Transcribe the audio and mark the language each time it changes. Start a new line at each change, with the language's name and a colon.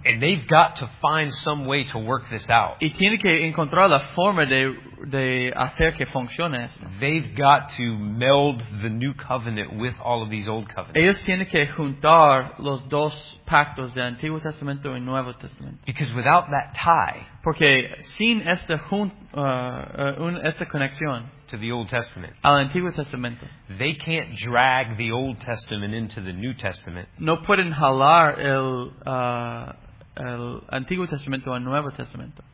English: And they've got to find some way to work this out.
Spanish: Y tienen que encontrar la forma de hacer que funcione esto.
English: They've got to meld the new covenant with all of these old covenants.
Spanish: Ellos tienen que juntar los dos pactos del Antiguo Testamento y Nuevo Testamento.
English: Because without that tie.
Spanish: Porque sin esta esta conexión
English: to the Old Testament,
Spanish: al Antiguo Testamento,
English: they can't drag the Old Testament into the New Testament.
Spanish: No pueden jalar el Antiguo Testamento al Nuevo Testamento.